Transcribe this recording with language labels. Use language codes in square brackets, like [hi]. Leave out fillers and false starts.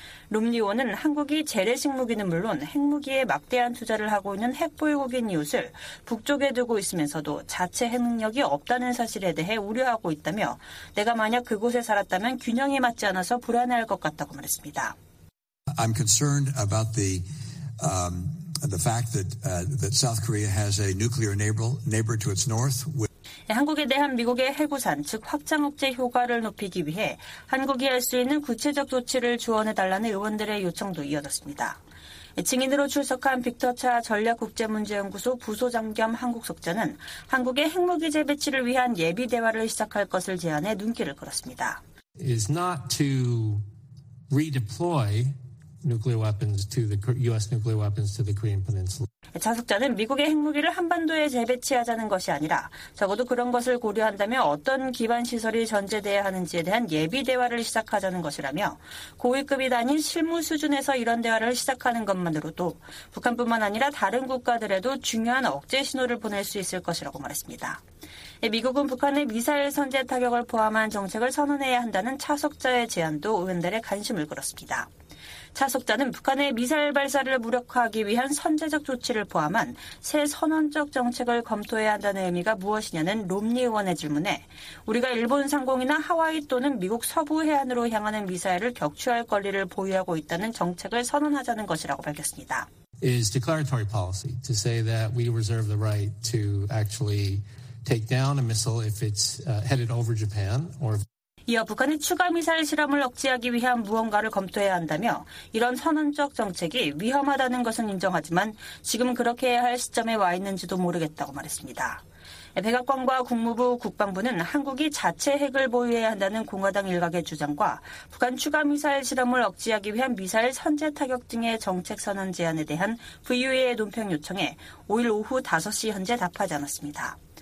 [ko] 롬니 의원은 한국이 재래식 무기는 물론 핵무기에 막대한 투자를 하고 있는 핵보유국인 이웃을 북쪽에 두고 있으면서도 자체 핵 능력이 없다는 사실에 대해 우려하고 있다며 내가 만약 그곳에 살았다면 균형이 맞지 않아서 불안해할 것 같다고 말했습니다. [en] I'm concerned about the fact that that South Korea has a nuclear neighbor to its north. [ko] 한국에 대한 미국의 핵 우산, 즉 확장 억제 효과를 높이기 위해 한국이 할 수 있는 구체적 조치를 조언해달라는 의원들의 요청도 이어졌습니다. 증인으로 출석한 빅터 차 전략국제문제연구소 부소장 겸 한국석자는 한국의 핵무기 재배치를 위한 예비 대화를 시작할 것을 제안해 눈길을 끌었습니다. [en] Is not to redeploy nuclear weapons to the U.S. nuclear weapons to the Korean Peninsula. [ko] 자석자는 미국의 핵무기를 한반도에 재배치하자는 것이 아니라 적어도 그런 것을 고려한다면 어떤 기반시설이 전제되어야 하는지에 대한 예비 대화를 시작하자는 것이라며 고위급이 아닌 실무 수준에서 이런 대화를 시작하는 것만으로도 북한뿐만 아니라 다른 국가들에도 중요한 억제 신호를 보낼 수 있을 것이라고 말했습니다. 미국은 북한의 미사일 선제 타격을 포함한 정책을 선언해야 한다는 차석자의 제안도 의원들의 관심을 끌었습니다. 차석자는 북한의 미사일 발사를 무력화하기 위한 선제적 조치를 포함한 새 선언적 정책을 검토해야 한다는 의미가 무엇이냐는 롬니 의원의 질문에 우리가 일본 상공이나 하와이 또는 미국 서부 해안으로 향하는 미사일을 격추할 권리를 보유하고 있다는 정책을 선언하자는 것이라고 밝혔습니다. [en] Is declaratory policy to say that we reserve the right to actually take down a missile if it's headed over Japan or [ko] 이어 북한이 추가 미사일 실험을 억제하기 위한 무언가를 검토해야 한다며 이런 선언적 정책이 위험하다는 것은 인정하지만 지금 그렇게 해야 할 시점에 와 있는지도 모르겠다고 말했습니다. 백악관과 국무부 국방부는 한국이 자체 핵을 보유해야 한다는 공화당 일각의 주장과 북한 추가 미사일 실험을 억제하기 위한 미사일 선제 타격 등의 정책 선언 제안에 대한 VOA의 논평 요청에 5일 오후 5시 현재 답하지 않았습니다.